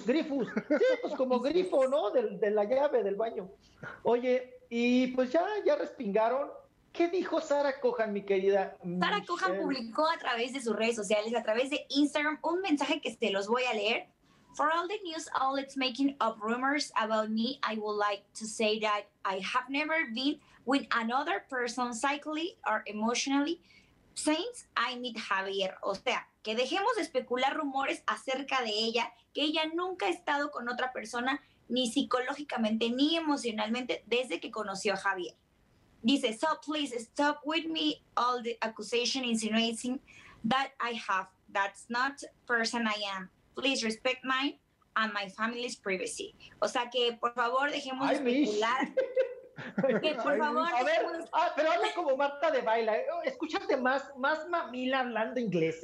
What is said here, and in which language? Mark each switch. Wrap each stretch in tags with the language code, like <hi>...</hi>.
<es>Sí, pues como grifo, ¿no?, de la llave del baño. Oye, y pues ya respingaron. ¿Qué dijo Sara Cohan, mi querida Michelle? Sara Cohan publicó a través de sus redes sociales, a través de Instagram, un mensaje que se los voy a leer.</es> <en>For all the news outlets making up rumors about me, I would like to say that I have never been with another person psychically or emotionally since I met Javier.</en> <es>O sea, que dejemos de especular rumores acerca de ella, que ella nunca ha estado con otra persona, ni psicológicamente ni emocionalmente, desde que conoció a Javier.</es> <en>Dice, so please stop with me all the accusation insinuating that I have. That's not the person I am. Please respect mine and my family's privacy.</en> <es>O sea que, por favor, dejemos de especular. Que, por favor, Pero habla como Marta de Baila. Escúchate más mamila hablando inglés.</es>